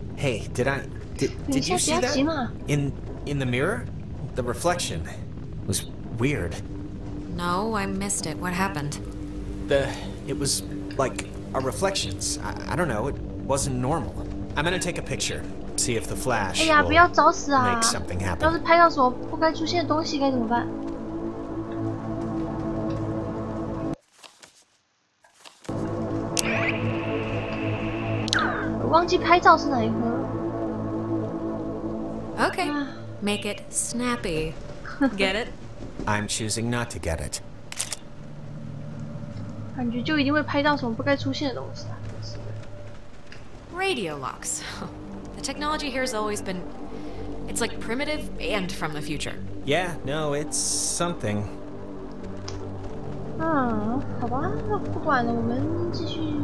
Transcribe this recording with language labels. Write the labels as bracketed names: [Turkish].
[English] Hey, did you see that? In the mirror? The reflection was weird. No, I missed it. What happened? It was like our reflections. I don't know, it wasn't normal. I'm gonna take a picture, see if the flash will make something happen. [Chinese] 要是拍到什么不该出现的东西该怎么办？忘记拍照是哪一颗 [English] ？Okay, make it snappy. Get it? I'm choosing not to get it. [Chinese] 感觉就一定会拍到什么不该出现的东西。 [English] Radio locks. The technology here has always been, it's like primitive and from the future. Yeah, no, it's something. [Chinese] 好吧，那不管了，我们继续。